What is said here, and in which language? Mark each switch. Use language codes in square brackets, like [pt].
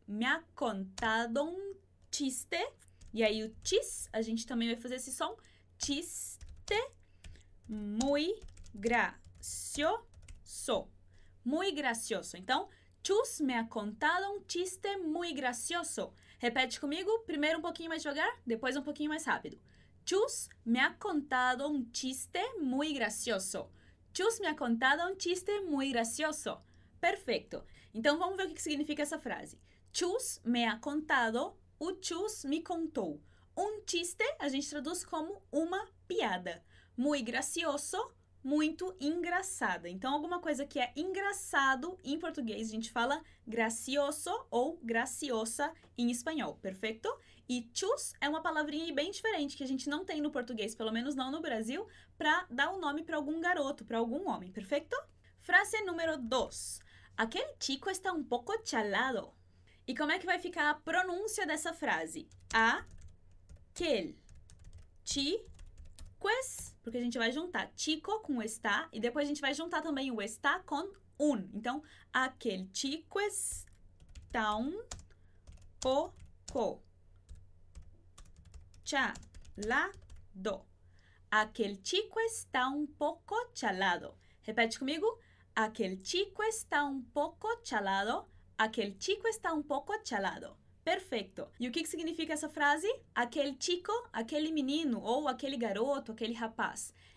[es] Me ha contado un chiste. [pt] E aí o chis, a gente também vai fazer esse som. [es] Chiste muy gracioso. Muy gracioso. Então, chus me ha contado un chiste muy gracioso. [pt] Repete comigo, primeiro um pouquinho mais devagar, depois um pouquinho mais rápido. [es] Chus me ha contado un chiste muy gracioso. Chus me ha contado un chiste muy gracioso. [pt] Perfeito. Então vamos ver o que significa essa frase. [es] Chus me ha contado, [pt] o chus me contou. [es] Un chiste [pt] a gente traduz como uma piada. [es] Muy gracioso, [pt] muito engraçada. Então alguma coisa que é engraçado em português a gente fala gracioso ou graciosa em espanhol, perfeito? E chus é uma palavrinha bem diferente que a gente não tem no português, pelo menos não no Brasil, para dar um nome para algum garoto, para algum homem, perfeito? Frase número 2. Aquele chico está um pouco chalado. E como é que vai ficar a pronúncia dessa frase? [es] Aquel chico, [pt] porque a gente vai juntar chico com está e depois a gente vai juntar também o está com un. [es] Então, aquel chico está un poco chalado. Aquel chico está un poco chalado. [pt] Repete comigo. [es] Aquel chico está un poco chalado. Aquel chico está un poco chalado. [pt] Perfeito. E o que significa essa frase? Aquele chico, aquele menino, ou aquele garoto, aquele rapaz.